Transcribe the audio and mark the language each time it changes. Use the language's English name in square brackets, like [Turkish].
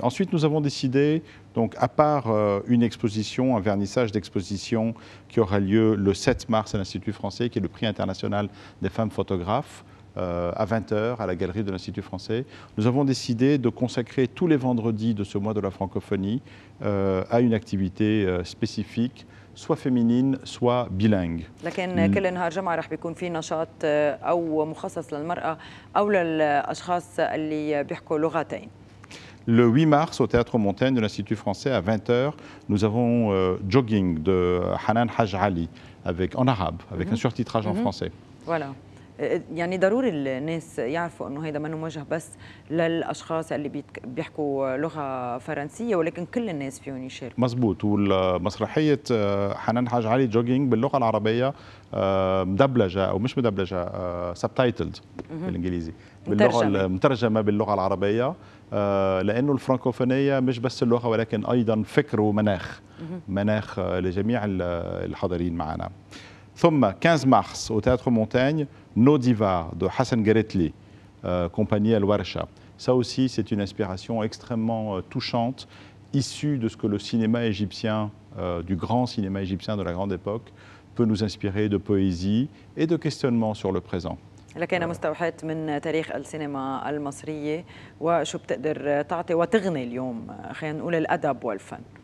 [French] ensuite nous avons décidé donc à part une exposition un vernissage d'exposition qui aura lieu le 7 mars à l'Institut français qui est le prix international des femmes photographes à 20h à la galerie de l'Institut français nous avons décidé de consacrer tous les vendredis de ce mois de la francophonie à une activité spécifique soit féminine, soit bilingue. [Arabic] لكن كل نهار جمعة رح بيكون في نشاط أو مخصص للمرأة أو للأشخاص اللي بيحكوا لغتين. [French] Le 8 mars, au Théâtre Montaigne de l'Institut français, à 20h, nous avons Jogging de Hanan Haj Ali avec, en arabe, avec un surtitrage en français. [Arabic] Voilà. يعني ضروري الناس يعرفوا انه هذا منه موجه بس للاشخاص اللي بيحكوا لغه فرنسيه ولكن كل الناس فيهم يشاركوا مزبوط والمسرحيه حنان حاج علي جوجينج باللغه العربيه مدبلجه او مش مدبلجه سبتايتلد بالانجليزي باللغه المترجمه باللغه العربيه لانه الفرنكوفونيه مش بس اللغه ولكن ايضا فكر ومناخ مناخ لجميع الحاضرين معنا ثم 15 مارس [French] au théâtre Montaigne No Diva de Hassan Gretli, compagnie El Warsha. Ça aussi, c'est une inspiration extrêmement touchante, issue de ce que le cinéma égyptien, du grand cinéma égyptien de la grande époque, peut nous inspirer de poésie et de questionnements sur le présent. [Arabic] لكن مستوحات من تاريخ السينما المصرية وشو بتقدر تعطي وتغني اليوم خلينا نقول الأدب والفن.